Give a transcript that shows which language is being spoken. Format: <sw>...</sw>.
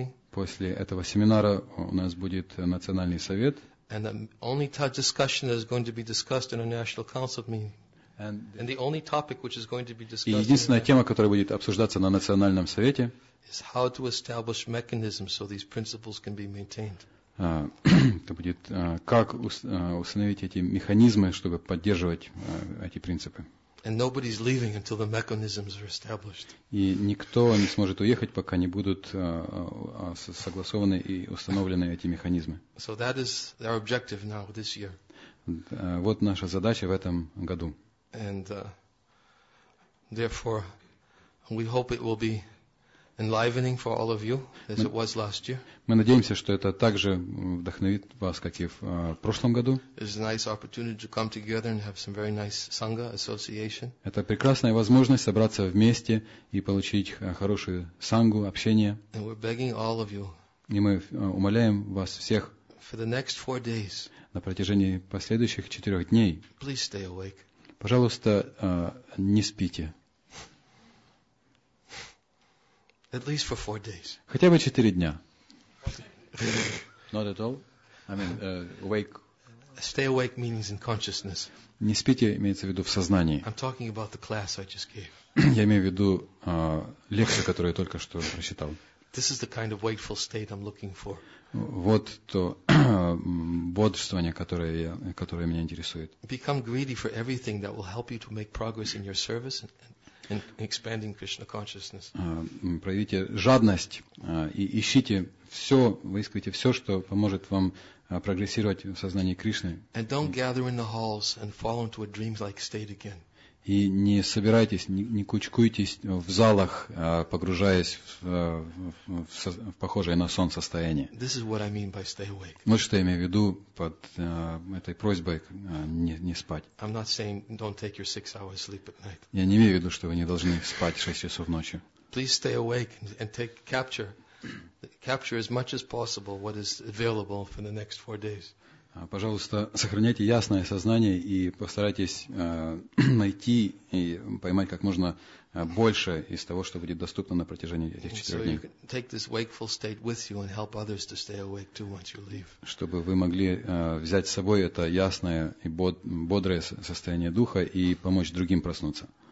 <ru>После этого семинара у нас будет национальный совет.</ru> <en>And the only discussion that is going to be discussed in a national council meeting. And the only topic which is going to be discussed.</en> <ru>И единственная тема, которая будет обсуждаться на национальном совете.</ru> <en>Is how to establish mechanisms so these principles can be maintained.</en> <ru>Это будет как установить эти механизмы, чтобы поддерживать эти принципы.</ru> <en>And nobody's leaving until the mechanisms are established.</en> <ru>И никто не сможет уехать, пока не будут согласованы и установлены эти механизмы.</ru> <en>So that is our objective now this year.</en> <ru>Вот наша задача в этом году.</ru> <en>And therefore, we hope it will be enlivening for all of you, as it was last year.</en> <ru>Мы надеемся, что это также вдохновит вас, как и в прошлом году.</ru> <en>It's a nice opportunity to come together and have some very nice sangha association.</en> <ru>Это прекрасная возможность собраться вместе и получить хорошую сангу, общение.</ru> <en>And we're begging all of you.</en> <ru>И мы умоляем вас всех.</ru> <en>For the next 4 days.</en> <ru>На протяжении последующих 4 дней.</ru> <en>Please stay awake.</en> <ru>Пожалуйста, не спите.</ru> <en>At least for 4 days.</en> <ru>Хотя бы 4 дня.</ru> <en>Not at all. I mean, awake. Stay awake means in consciousness.</en> <ru>Не спите имеется в виду в сознании.</ru> <en>I'm talking about the class I just gave.</en> <ru>Я имею в виду лекцию, которую я только что прочитал.</ru> <en>This is the kind of wakeful state I'm looking for.</en> <ru>Вот то бодрствование, которое меня интересует.</ru> <en>Become greedy for everything that will help you to make progress in your service and expanding Krishna consciousness.</en> <ru>Проявите жадность и ищите все, выискивайте все, что поможет вам прогрессировать в сознании Кришны.</ru> <en>And don't gather in the halls and fall into a dream-like state again.</en> <ru>И не собирайтесь, не кучкуйтесь в залах, погружаясь в похожее на сон состояние.</ru> <en>This is what I mean by stay awake.</en> <ru>Вот что я имею в виду под этой просьбой не спать.</ru> <en>I'm not saying don't take your 6 hours sleep at night.</en> <ru>Я не имею в виду, что вы не должны спать 6 часов ночи.</ru> <en>Please stay awake and take capture as much as possible what is available for the next 4 days.</en> <ru>Пожалуйста, сохраняйте ясное сознание и постарайтесь найти и поймать как можно больше из того, что будет доступно на протяжении этих 4 дней.</ru> <en>So you can take this wakeful state with you and help others to stay awake too once you leave.</en> <ru>Чтобы вы могли взять с собой это ясное и бодрое состояние духа и помочь другим проснуться.</ru>